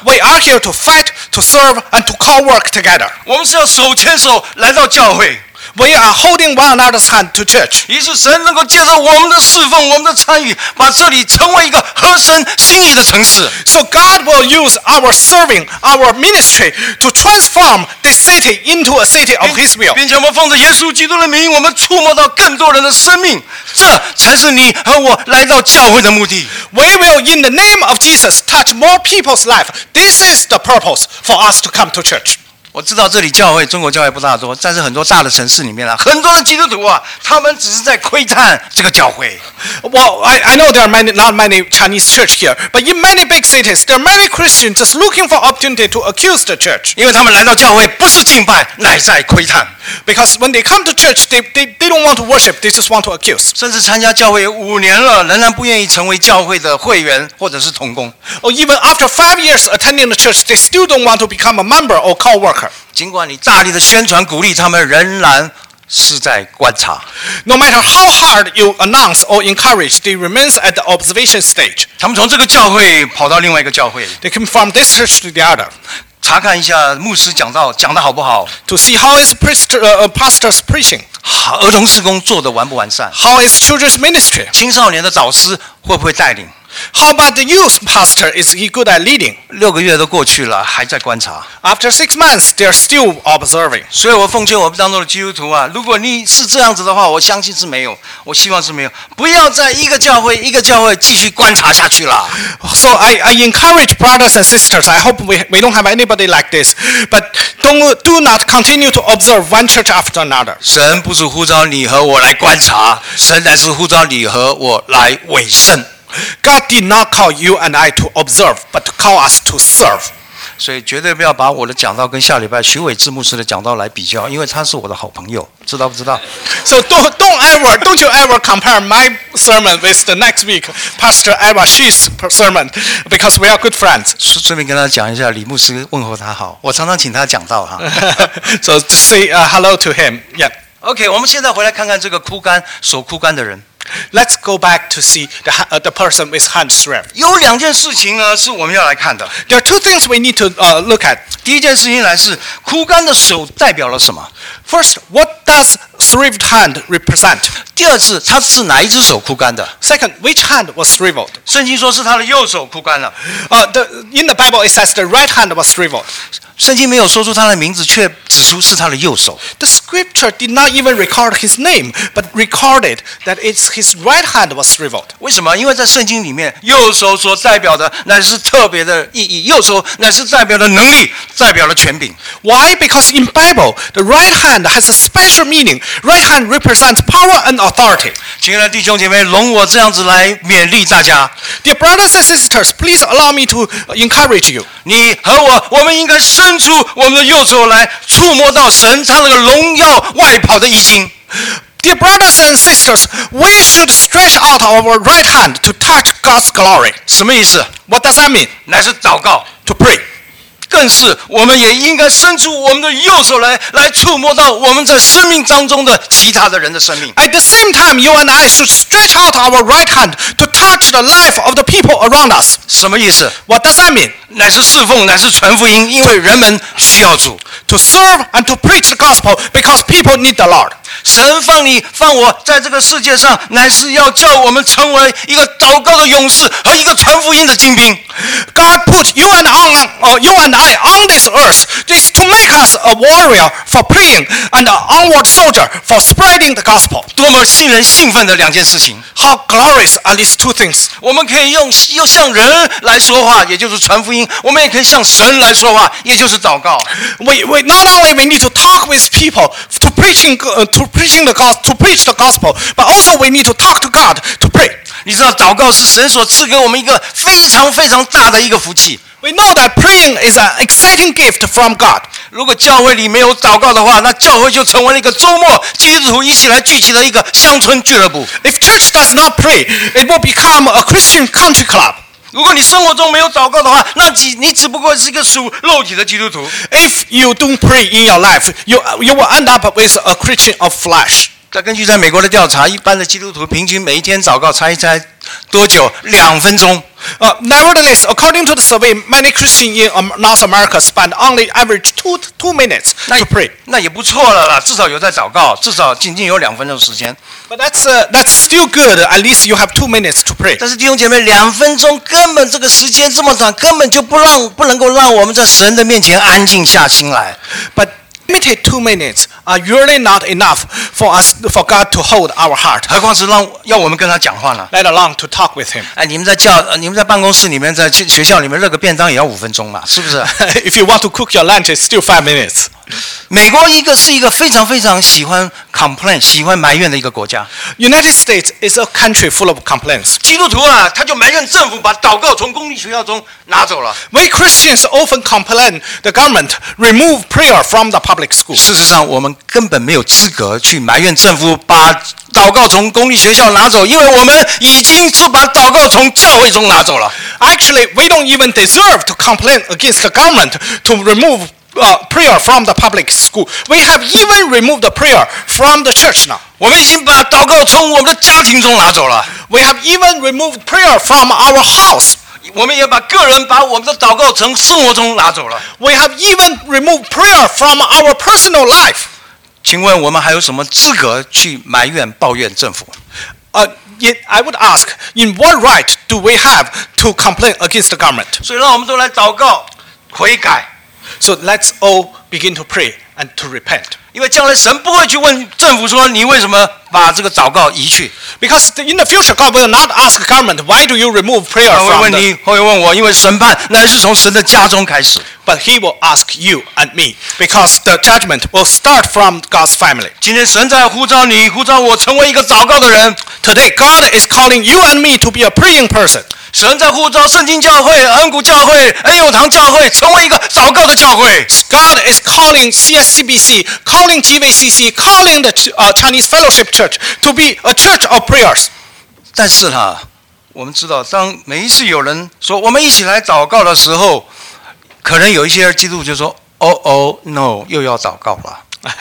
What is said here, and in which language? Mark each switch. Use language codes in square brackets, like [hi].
[en] We are here to fight, to serve, and to co-work together. [zh] 我们是要手牵手来到教会。 [en] We are holding one another's hand to church. [zh] 也是神能够借着我们的侍奉，我们的参与，把这里成为一个合神心意的城市。 [en] So God will use our serving, our ministry to transform this city into a city of His will. [zh] 并且我们奉着耶稣基督的名，我们触摸到更多人的生命，这才是你和我来到教会的目的。 [en] We will, in the name of Jesus, touch more people's life. This is the purpose for us to come to church. [zh] 我知道这里教会，中国教会不大多，但是很多大的城市里面啊，很多的基督徒啊，他们只是在窥探这个教会。 [en] Well, I know there are not many Chinese church here, but in many big cities, there are many Christians just looking for opportunity to accuse the church. [zh] 因为他们来到教会不是敬拜，乃在窥探。 [en] Because when they come to church, they don't want to worship, they just want to accuse. [zh] 甚至参加教会五年了，仍然不愿意成为教会的会员或者是同工。 [en] Or even after 5 years attending the church, they still don't want to become a member or co-worker. [zh] 尽管你大力的宣传鼓励他们，仍然是在观察。 [en] No matter how hard you announce or encourage, they remain at the observation stage. [zh] 他们从这个教会跑到另外一个教会。 [en] They come from this church to the other. [zh] 查看一下牧师讲的好不好。 [en] To see how is pastor's preaching. [zh] 儿童事工做得完不完善。 [en] How is children's ministry? [zh] 青少年的导师会不会带领。 [en] How about the youth pastor? Is he good at leading? [zh] 六个月都过去了，还在观察。 [en] After 6 months, they are still observing. [zh] 所以我奉劝我们当中的基督徒啊，如果你是这样子的话，我相信是没有，我希望是没有，不要在一个教会一个教会继续观察下去了。 [en] So I encourage brothers and sisters. I hope we don't have anybody like this. But do not continue to observe one church after another. [zh] 神不是呼召你和我来观察，神乃是呼召你和我来委身。 [en] God did not call you and I to observe, but to call us to serve. [zh] 所以绝对不要把我的讲道跟下礼拜徐伟志牧师的讲道来比较，因为他是我的好朋友，知道不知道 [en] ？So don't you ever compare my sermon with the next week Pastor Eva Shi's sermon, because we are good friends. [zh] 顺便跟他讲一下，李牧师问候他好，我常常请他讲道哈。 [en] So just say hello to him. Yeah. [zh] Okay, 我们现在回来看看这个枯干手枯干的人。 [en] Let's go back to see the person with hand strength. [zh] 有两件事情呢是我们要来看的。 [en] There are two things we need to look at. [zh] 第一件事情来是枯干的手代表了什么 [en] ？First, what does shriveled hand represent? [zh] 第二次，他是哪一只手枯干的 [en] ？Second, which hand was shriveled? [zh] 圣经说是他的右手枯干了。 [en] In the Bible, it says the right hand was shriveled. [zh] 圣经没有说出他的名字，却指出是他的右手。 [en] The scripture did not even record his name, but recorded that it's his right hand was shriveled. [zh] 为什么？因为在圣经里面，右手所代表的乃是特别的意义，右手乃是代表的能力，代表了权柄。 [en] Why? Because in Bible, the right hand hand has a special meaning. Right hand represents power and authority. [zh] 亲爱的弟兄姐妹，容我这样子来勉励大家。 [en] Dear brothers and sisters, please allow me to encourage you. [zh] 你和我，我们应该伸出我们的右手来，触摸到神他那个荣耀外袍的衣襟。 [en] Dear brothers and sisters, we should stretch out our right hand to touch God's glory. [zh] 什么意思？ [en] What does that mean? [zh] 乃是祷告。 [en] To pray. [zh] 更是我们也应该伸出我们的右手来，来触摸到我们在生命当中的其他的人的生命。 [en] At the same time, you and I should stretch out our right hand to touch the life of the people around us. [zh] 什么意思？ [en] What does that mean? [zh] 乃是侍奉，乃是传福音，因为人们需要主。 [en] To serve and to preach the gospel because people need the Lord. [zh] 神放你放我在这个世界上，乃是要叫我们成为一个祷告的勇士和一个传福音的精兵。 [en] God put you and on, you and I on this earth is to make us a warrior for praying and an onward soldier for spreading the gospel. [zh] 多么令人兴奋的两件事情。 [en] How glorious are these two things? [zh] 我们可以用向人来说话，也就是传福音；我们也可以向神来说话，也就是祷告。 [en] We not only we need to talk with people to preach the gospel, but also we need to talk to God to pray. [zh] 你知道祷告是神所赐给我们一个非常非常大的一个福气。 [en] We know that praying is an exciting gift from God. [zh] 如果教会里没有祷告的话，那教会就成为了一个周末基督徒一起来聚集的一个乡村俱乐部。 [en] If church does not pray, it will become a Christian country club. [zh] 如果你生活中没有祷告的话，那你只不过是一个属肉体的基督徒。 [en] If you don't pray in your life, you will end up with a Christian of flesh. [zh] 根据在美国的调查，一般的基督徒平均每一天祷告，猜一猜多久？两分钟。 [en] Nevertheless, according to the survey, many Christians in North America spend only average two minutes to pray. [zh] 那也不错了啦，至少有在祷告，至少仅仅有两分钟时间。 [en] But that's still good. At least you have 2 minutes to pray. [zh] 但是弟兄姐妹，两分钟根本这个时间这么短，根本就不能够让我们在神的面前安静下心来。 [en] But limited 2 minutes are really not enough for God to hold our heart. [zh] 何况是让要我们跟他讲话呢 [en] ？Let alone to talk with him. [zh] 哎，你们在办公室里面，在学校里面热个便当也要五分钟嘛，是不是 [en] ？If you want to cook your lunch, it's still 5 minutes. [zh] 美国一个是一个非常非常喜欢 complain 喜欢埋怨的一个国家。 [en] United States is a country full of complaints. [zh] 基督徒啊，他就埋怨政府把祷告从公立学校中拿走了。 [en] We Christians often complain the government remove prayer from the public school. [zh] 事实上，我们根本没有资格去埋怨政府把祷告从公立学校拿走，因为我们已经是把祷告从教会中拿走了。 [en] Actually, we don't even deserve to complain against the government to remove. Prayer from the public school. We have even removed the prayer from the church now. [zh] 我们已经把祷告从我们的家庭中拿走了。 [en] We have even removed prayer from our house. [zh] 我们也把个人把我们的祷告从生活中拿走了。 [en] We have even removed prayer from our personal life. [zh] 请问我们还有什么资格去埋怨抱怨政府？ [en] I would ask, in what right do we have to complain against the government? [zh] 所以让我们都来祷告，悔改。 [en] So let's all begin to pray and to repent. [zh] 因为将来神不会去问政府说你为什么把这个祷告移去。 [en] Because in the future, God will not ask government why do you remove prayer from. [zh] 他会问你，会问我，因为审判乃是从神的家中开始。 [en] But he will ask you and me because the judgment will start from God's family. [zh] 今天神在呼召你，呼召我成为一个祷告的人。 [en] Today, God is calling you and me to be a praying person. [zh] 神在呼召圣经教会、恩谷教会、恩友堂教会成为一个祷告的教会。 [en] God is calling CSCBC, calling GVCC, calling the Chinese Fellowship Church to be a church of prayers. [zh] 但是呢，我们知道，当每一次有人说我们一起来祷告的时候，可能有一些基督徒就说：“哦哦 ，no， 又要祷告了。”